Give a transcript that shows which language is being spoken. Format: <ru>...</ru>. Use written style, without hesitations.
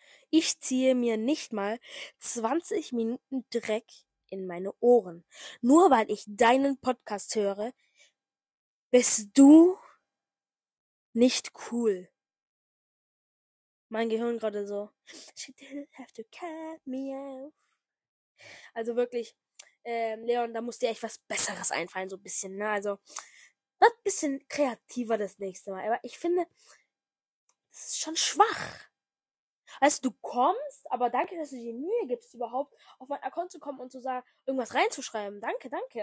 <de>Ich ziehe mir nicht mal 20 Minuten Dreck in meine Ohren. Nur weil ich deinen Podcast höre, bist du nicht cool. Mein Gehirn gerade so.</de> <en>She didn't have to cut me off.</en> <de>Also wirklich, Leon, da muss dir echt was Besseres einfallen, so ein bisschen, ne? Also, wird ein bisschen kreativer das nächste Mal. Aber ich finde, das ist schon schwach. Also, du kommst, aber danke, dass du dir Mühe gibst, überhaupt auf mein Account zu kommen und zu sagen, irgendwas reinzuschreiben. Danke, danke.</de>